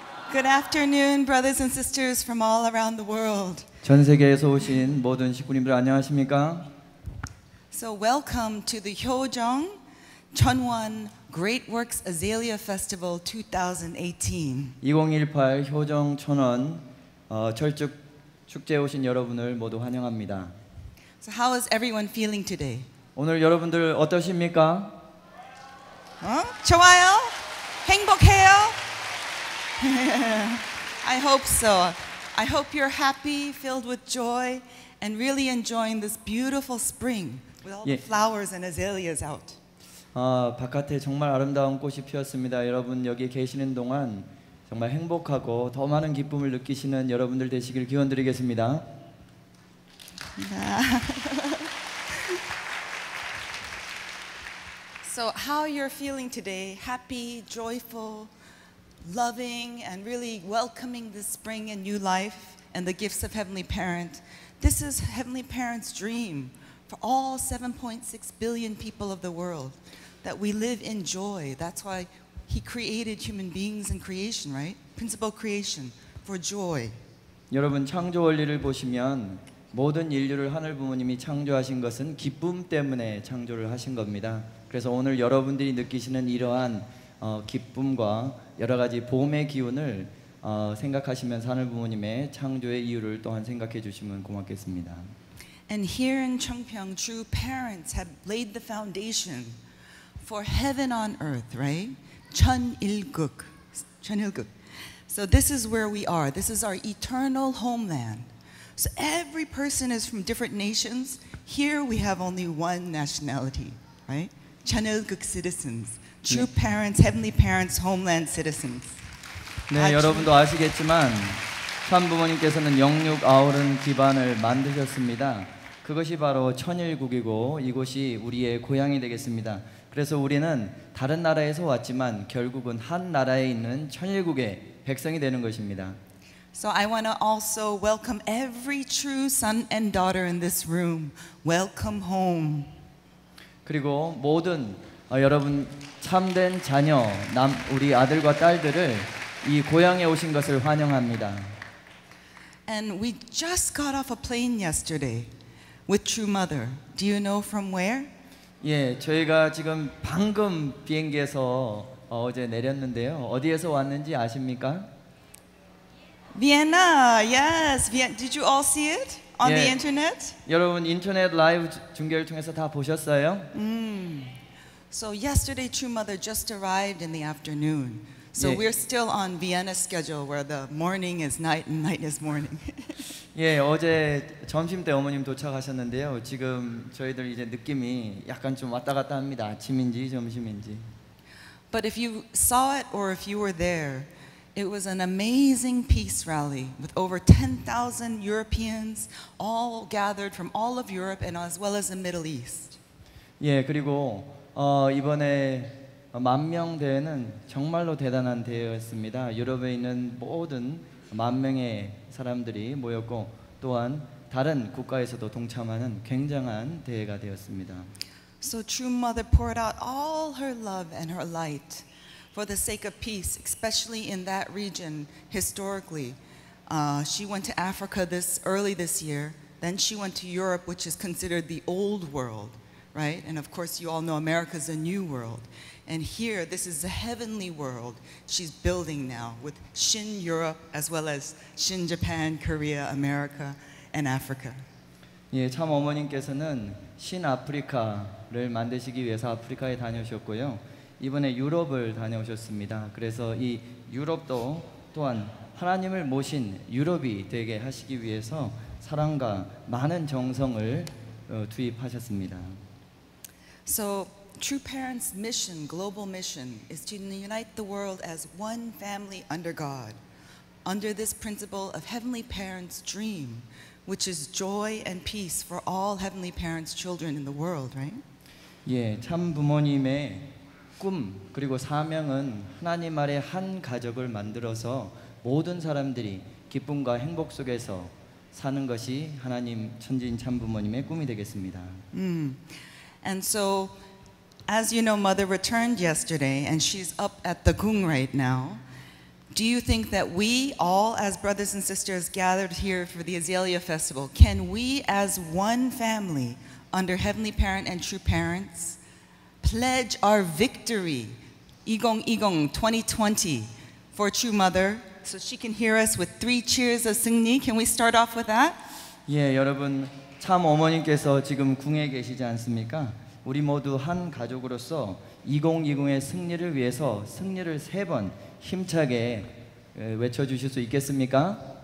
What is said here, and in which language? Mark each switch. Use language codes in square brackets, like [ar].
[en] Good afternoon, brothers and sisters from all around the world. [ko] 전 세계에서 오신 모든 식구님들 안녕하십니까? [en] So welcome to the Hyojong Chunwon Great Works Azalea Festival 2018. [ko] 2018 Hyojong Chunwon 철쭉 축제에 오신 여러분을 모두 환영합니다. [en] So how is everyone feeling today? [ko] 오늘 여러분들 어떠십니까? 좋아요? 행복해요? [en] I hope so. I hope you're happy, filled with joy, and really enjoying this beautiful spring with all the flowers and azaleas out. [ko] 바깥에 정말 아름다운 꽃이 피었습니다. 여러분 여기 계시는 동안 정말 행복하고 더 많은 기쁨을 느끼시는 여러분들 되시길 기원 드리겠습니다. [en] So how you're feeling today? Happy, joyful, loving, and really welcoming the spring and new life and the gifts of Heavenly Parent. This is Heavenly Parent's dream for all 7.6 billion people of the world, that we live in joy. That's why He created human beings and creation, right? Principle creation for joy. [ko] 여러분 창조 원리를 보시면 모든 인류를 하늘 부모님이 창조하신 것은 기쁨 때문에 창조를 하신 겁니다. 그래서 오늘 여러분들이 느끼시는 이러한 기쁨과 여러 가지 봄의 기운을 생각하시면서 하늘 부모님의 창조의 이유를 또한 생각해 주시면 고맙겠습니다. [en] And here in Cheongpyeong, true parents have laid the foundation for heaven on earth, right? 천일국, 천일국. So this is where we are. This is our eternal homeland. So every person is from different nations. Here we have only one nationality, right? 천일국 citizens, true parents, heavenly parents, homeland citizens. [ko] 네, 여러분도 아시겠지만 참 부모님께서는 영육 아우른 기반을 만드셨습니다. 그것이 바로 천일국이고 이곳이 우리의 고향이 되겠습니다. 그래서 우리는 다른 나라에서 왔지만 결국은 한 나라에 있는 천일국의 백성이 되는 것입니다. [en] So I want to also welcome every true son and daughter in this room. Welcome home. [ko] 그리고 모든 여러분 참된 자녀, 남 우리 아들과 딸들을 이 고향에 오신 것을 환영합니다. [en] And we just got off a plane yesterday with True Mother. Do you know from where? [ko] 예, 저희가 지금 방금 비행기에서 어제 내렸는데요. 어디에서 왔는지 아십니까? [en] Vienna. Yes. Vienna. Did you all see it? On the internet? [ko] 여러분 인터넷 라이브 중계를 통해서 다 보셨어요? [en] So yesterday True Mother just arrived in the afternoon. So we're still on Vienna schedule where the morning is night and night is morning. [ko] 예, 어제 점심 때 어머님 도착하셨는데요. 지금 저희들 이제 느낌이 약간 좀 왔다 갔다 합니다. 아침인지 점심인지. [en] But if you saw it or if you were there, it was an amazing peace rally with over 10,000 Europeans all gathered from all of Europe and as well as the Middle East. [ko] 예, 그리고 이번에 만명 대회는 정말로 대단한 대회였습니다. 유럽에 있는 모든 만 명의 사람들이 모였고 또한 다른 국가에서도 동참하는 굉장한 대회가 되었습니다. [en] So True Mother poured out all her love and her light for the sake of peace, especially in that region historically. She went to Africa this early this year, then she went to Europe, which is considered the old world, right? And of course, you all know America is a new world. And here, this is the heavenly world she's building now with Shin Europe, as well as Shin Japan, Korea, America, and Africa. [ko] 예, 참 어머님께서는 신 아프리카를 만드시기 위해서 아프리카에 다녀오셨고요. 이번에 유럽을 다녀오셨습니다. 그래서 이 유럽도 또한 하나님을 모신 유럽이 되게 하시기 위해서 사랑과 많은 정성을 투입하셨습니다. [en] So True Parents' mission, global mission, is to unite the world as one family under God, under this principle of Heavenly Parents' dream, which is joy and peace for all Heavenly Parents' children in the world, right? [ko] 예, 참 부모님의 꿈 그리고 사명은 하나님 아래 한 가족을 만들어서 모든 사람들이 기쁨과 행복 속에서 사는 것이 하나님 천지인 참부모님의 꿈이 되겠습니다. [en] And so As you know, Mother returned yesterday and she's up at the Gung right now. Do you think that we all, as brothers and sisters gathered here for the Azalea Festival, can we as one family under Heavenly Parent and True Parents pledge our victory, Igong Igong 2020, for True Mother so she can hear us with three cheers of 승리? Can we start off with that? [ko] 예, 여러분, 참 어머님께서 지금 궁에 계시지 않습니까? 우리 모두 한 가족으로서 2020의 승리를 위해서 승리를 세 번 힘차게 외쳐주실 수 있겠습니까?